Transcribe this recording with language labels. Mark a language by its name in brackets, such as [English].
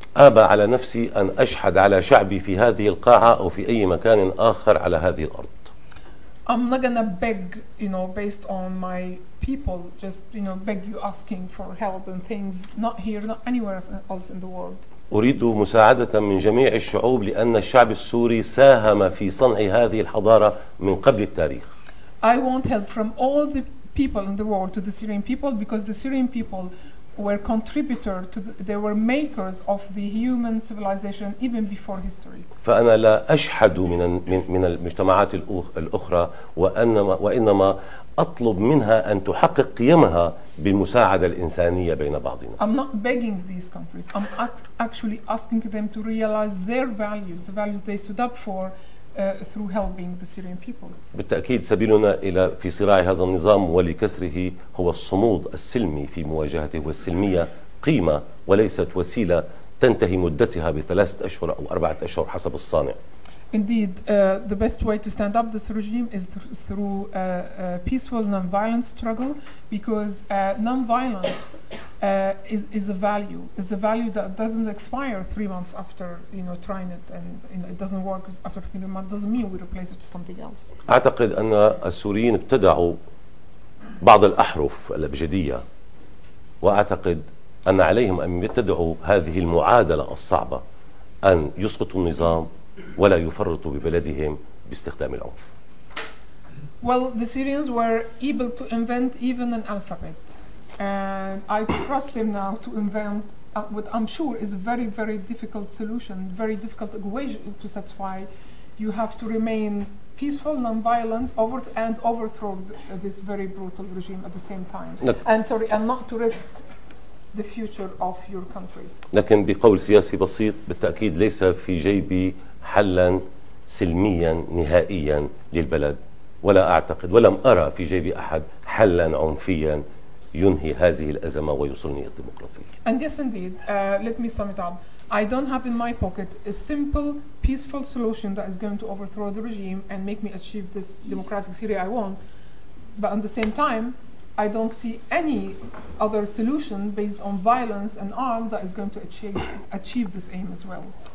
[Arabic] أبى على نفسي أن أشهد على شعبي في هذه القاعة أو في أي مكان آخر على هذه الأرض. [English] I'm not gonna beg, you know, based on my people, just, you know, beg you asking for help and things, not here, not anywhere else in the world. [Arabic] أريد مساعدة من جميع الشعوب لأن الشعب السوري ساهم في صنع هذه الحضارة من قبل التاريخ. [English] I want help from all the people in the world to the Syrian people because the Syrian people were contributor to the, they were makers of the human civilization even before history. [Arabic] فأنا لا أشهد من المجتمعات الأخرى وإنما أطلب منها أن تحقق قيمها بالمساعدة الإنسانية بين بعضنا. [English] I'm not begging these countries. I'm actually asking them to realize their values, the values they stood up for, through helping the Syrian people. [Arabic] بالتأكيد سبيلنا إلى في صراع هذا النظام ولكسره هو الصمود السلمي في مواجهته والسلمية قيمة وليست وسيلة تنتهي مدتها بثلاثة أشهر أو أربعة أشهر حسب الصانع. [English] Indeed, the best way to stand up this regime is through a peaceful non-violent struggle because non-violence is a value. It's a value that doesn't expire 3 months after, you know, trying it and, you know, it doesn't work after 3 months. Doesn't mean we replace it with something else. [Arabic] اعتقد ان السوريين ابتدعوا بعض الاحرف الابجديه واعتقد ان عليهم ان يبتدعوا هذه المعادله الصعبه ان يسقطوا النظام ولا يفرطوا ببلدهم باستخدام العنف. [English] Well, the Syrians were able to invent even an alphabet, and I trust them now to invent what I'm sure is a very, very difficult solution, very difficult equation to satisfy. You have to remain peaceful, non-violent, overthrow this very brutal regime at the same time. And not to risk the future of your country. [Arabic] لكن بقول سياسي بسيط بالتأكيد ليس في جيبي حلا سلميا نهائيا للبلد ولا أعتقد ولم أرى في جيبي أحد حلا عنفيا ينهي هذه الأزمة ويوصلني الديمقراطية. [English] And yes, indeed. Let me sum it up. I don't have in my pocket a simple, peaceful solution that is going to overthrow the regime and make me achieve this democratic Syria I want. But at the same time, I don't see any other solution based on violence and arms that is going to achieve this aim as well.